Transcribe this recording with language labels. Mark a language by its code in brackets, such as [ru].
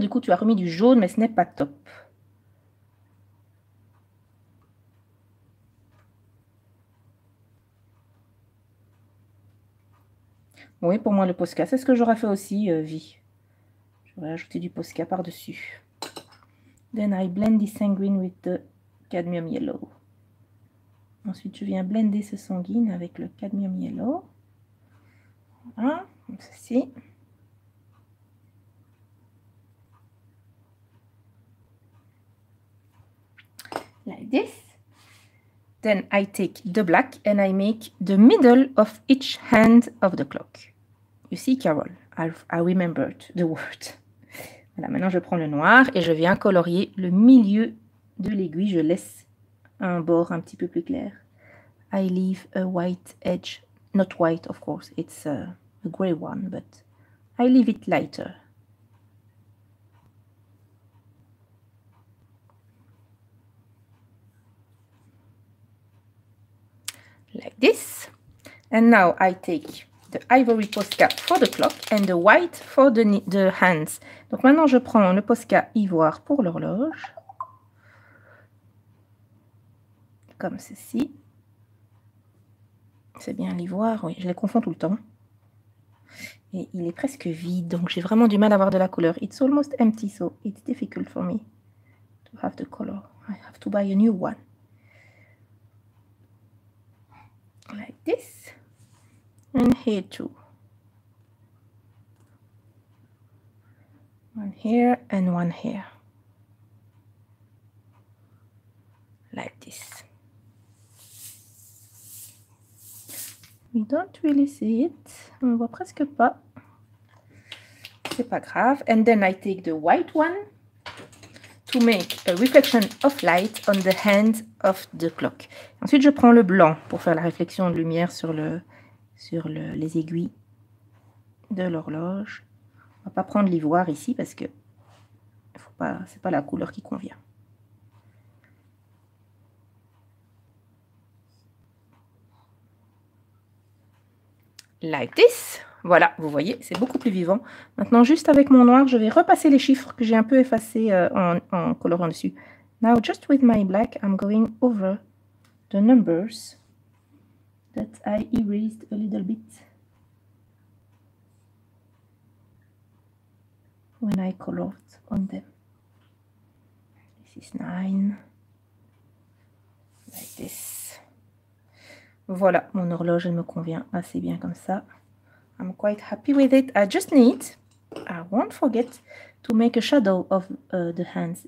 [fr] Du coup, tu as remis du jaune, mais ce n'est pas top. Oui, pour moi, le Posca, c'est ce que j'aurais fait aussi, Vie. J'aurais ajouté du Posca par-dessus. [en] Then I blend the sanguine with the cadmium yellow. [fr] Ensuite, je viens blender ce sanguine avec le cadmium yellow. Voilà, comme ceci. [en] Like this. Then I take the black and I make the middle of each hand of the clock. You see, Carol, I remembered the word. [fr] Voilà, maintenant je prends le noir et je viens colorier le milieu de l'aiguille. Je laisse un bord un petit peu plus clair. [en] I leave a white edge. Not white, of course, it's a gray one, but I leave it lighter. Like this. And now I take the ivory Posca for the clock and the white for the hands. [fr] Donc maintenant je prends le Posca ivoire pour l'horloge. Comme ceci. C'est bien l'ivoire, oui, je les confonds tout le temps. Et il est presque vide, donc j'ai vraiment du mal à avoir de la couleur. [en] It's almost empty, so it's difficult for me to have the color. I have to buy a new one. Like this. And here too. One here and one here. Like this. don't really see it. [fr] On voit presque pas. C'est pas grave. [en] And then I take the white one to make a reflection of light on the hand of the clock. [fr] Ensuite, je prends le blanc pour faire la réflexion de lumière sur les aiguilles de l'horloge. On va pas prendre l'ivoire ici parce que c'est pas la couleur qui convient. [en] Like this. [fr] Voilà, vous voyez, c'est beaucoup plus vivant. Maintenant, juste avec mon noir, je vais repasser les chiffres que j'ai un peu effacés en colorant dessus. [en] Now, just with my black, I'm going over the numbers that I erased a little bit when I colored on them. This is 9. Like this. [fr] Voilà, mon horloge, elle me convient assez bien comme ça. [en] I'm quite happy with it. I won't forget to make a shadow of the hands.